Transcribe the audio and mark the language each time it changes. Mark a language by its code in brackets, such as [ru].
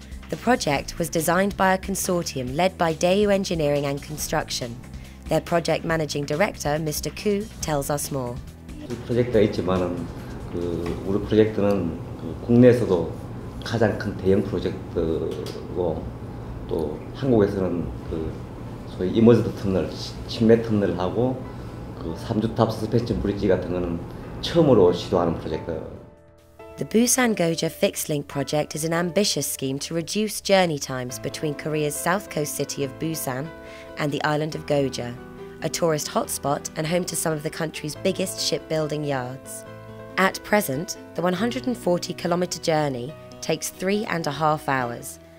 [en] The project was designed by a consortium led by Daewoo Engineering and Construction. Their project managing director, Mr. Ku, tells us more. The project is there, but our project is the biggest project in Korea. [ko] 또 한국에서는 그 소위 이머지드 터널, 침매 터널을 하고 그 3주탑 서스펜션 브릿지 같은 거는 처음으로 시도하는 프로젝트. [en] The Busan-Geoje Fixed Link project is an ambitious scheme to reduce journey times between Korea's south coast city of Busan and the island of Geoje, a tourist hotspot and home to some of the country's biggest shipbuilding yards. At present, the 140-kilometer journey takes 3.5 hours.